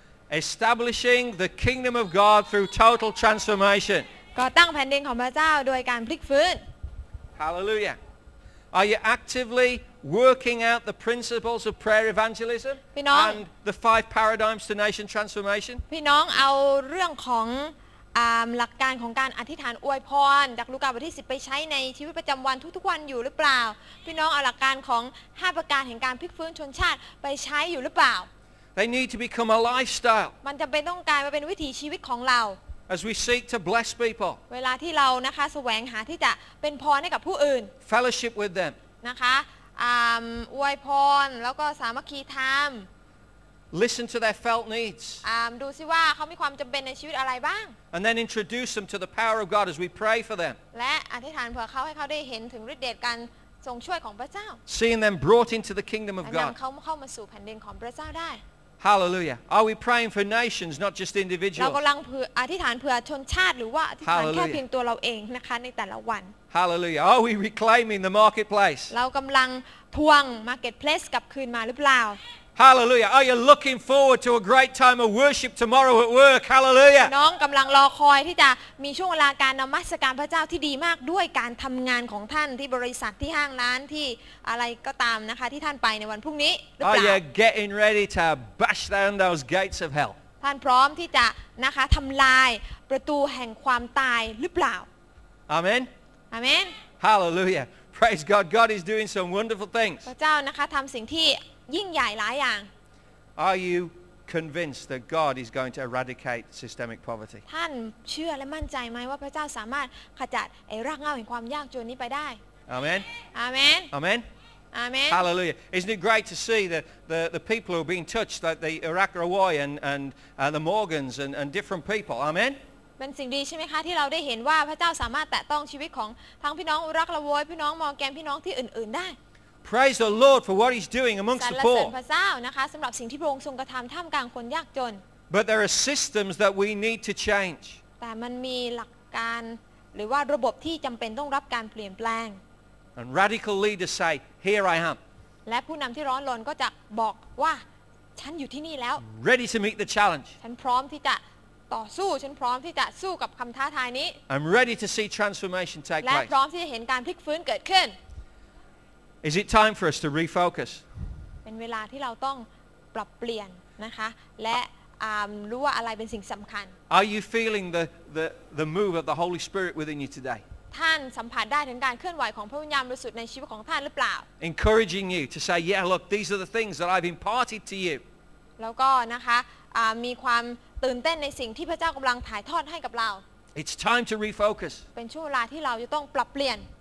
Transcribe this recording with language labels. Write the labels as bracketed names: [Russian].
[English] Establishing the kingdom of God through total transformation. [Thai] ก่อตั้งแผ่นดินของพระเจ้าโดยการพลิกฟื้น [English] Hallelujah. Are you actively working out the principles of prayer evangelism and the five paradigms to nation transformation? [Thai] พี่น้องเอาเรื่องของหลักการของการอธิษฐานอวยพรจากลูกาบทที่10ไปใช้ในชีวิตประจำวันทุกๆวันอยู่หรือเปล่าพี่น้องเอาหลักการของ5ประการแห่งการพลิกฟื้นชนชาติไปใช้อยู่หรือเปล่า [English] They need to become a lifestyle. [Thai] มันจำเป็นต้องกลายมาเป็นวิถีชีวิตของเรา [English] As we seek to bless people. [Thai] เวลาที่เรานะคะแสวงหาที่จะเป็นพรให้กับผู้อื่น [English] Fellowship with them. [Thai] นะคะอวยพรแล้วก็สามัคคีธรรม [English] Listen to their felt needs. [Thai] ดูซิว่าเขามีความจําเป็นในชีวิตอะไรบ้าง [English] And then introduce them to the power of God as we pray for them. [Thai] และอธิษฐานเผื่อเขาให้เขาได้เห็นถึงฤทธิ์เดชการทรงช่วยของพระเจ้า [English] Seeing them brought into the kingdom of God. [Thai] นําเขาเข้ามาสู่แผ่นดินของพระเจ้าได้ [English] Hallelujah. Are we praying for nations, not just individuals? [Thai] เรากำลังอธิษฐานเพื่อชนชาติหรือว่าอธิษฐานแค่เพียงตัวเราเองนะคะในแต่ละวัน [English] Hallelujah. Are we reclaiming the marketplace? [Thai] เรากำลังทวง marketplace กลับคืนมาหรือเปล่า [English] Hallelujah. Are you looking forward to a great time of worship tomorrow at work? Hallelujah. [Thai] น้องกำลังรอคอยที่จะมีช่วงเวลาการนมัสการพระเจ้าที่ดีมากด้วยการทำงานของท่านที่บริษัทที่ห้างร้านที่อะไรก็ตามนะคะที่ท่านไปในวันพรุ่งนี้หรือเปล่า [English] Are you getting ready to bash down those gates of hell? [Thai] ท่านพร้อมที่จะนะคะทำลายประตูแห่งความตายหรือเปล่า [English] Amen. Amen. Hallelujah. Praise God. God is doing some wonderful things. [Thai] พระเจ้านะคะทำสิ่งที่ยิ่งใหญ่หลายอย่าง [English] Are you convinced that God is going to eradicate systemic poverty? [Thai] ท่านเชื่อและมั่นใจไหมว่าพระเจ้าสามารถขจัดไอ้รากเหง้าแห่งความยากจนนี้ไปได้ [English] Amen. Amen. Amen. Amen. Hallelujah. Isn't it great to see the people who are being touched, like the Irakawai and the Morgans and different people? Amen. [Thai] เป็นสิ่งดีใช่ไหมคะที่เราได้เห็นว่าพระเจ้าสามารถแตะต้องชีวิตของทั้งพี่น้องอุรักละวอยพี่น้องมอร์แกนพี่น้องที่อื่นๆได้ [English] Praise the Lord for what He's doing amongst the poor. [Thai] สรรเสริญพระเจ้านะคะสำหรับสิ่งที่พระองค์ทรงกระทำท่ามกลางคนยากจน [English] But there are systems that we need to change. [Thai] แต่มันมีหลักการหรือว่าระบบที่จำเป็นต้องรับการเปลี่ยนแปลง [English] And radical leaders say, "Here I am." [Thai] และผู้นำที่ร้อนรนก็จะบอกว่าฉันอยู่ที่นี่แล้ว [English] Ready to meet the challenge. [Thai] ฉันพร้อมที่จะต่อสู้ฉันพร้อมที่จะสู้กับคำท้าทายนี้ [English] I'm ready to see transformation take place. [Thai] และพร้อมที่จะเห็นการพลิกฟื้นเกิดขึ้น [English] Is it time for us to refocus? [Thai] เป็นเวลาที่เราต้องปรับเปลี่ยนนะคะและรู้ว่าอะไรเป็นสิ่งสำคัญ [English] Are you feeling the move of the Holy Spirit within you today? [Thai] ท่านสัมผัสได้ถึงการเคลื่อนไหวของพระวิญญาณบริสุทธิ์ในชีวิตของท่านหรือเปล่า [English] Encouraging you to say, "Yeah, look, these are the things that I've imparted to you." [Thai] แล้วก็นะคะมีความตื่นเต้นในสิ่งที่พระเจ้ากำลังถ่ายทอดให้กับเรา [English] It's time to refocus. [Thai] เป็นช่วงเวลาที่เราจะต้องปรับเปลี่ยน